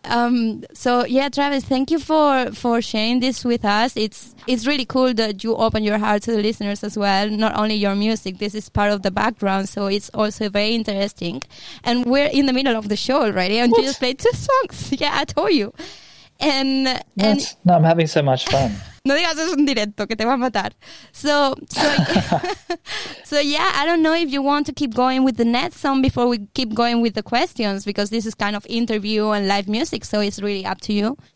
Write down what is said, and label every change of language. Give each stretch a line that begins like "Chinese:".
English: Travis, thank you for sharing this with us. It's really cool that you open your heart to the listeners as well. Not only your music. This is part of the background, so it's also very interesting. And we're in the middle of the show already, and you just played two songs. Yeah, I told you. I'm having so much fun.
Spanish: No digas es un directo que te va a matar.
English: So, I don't know if you want to keep going with the next song before we keep going with the questions, because this is kind of interview and live music, so it's really up to you.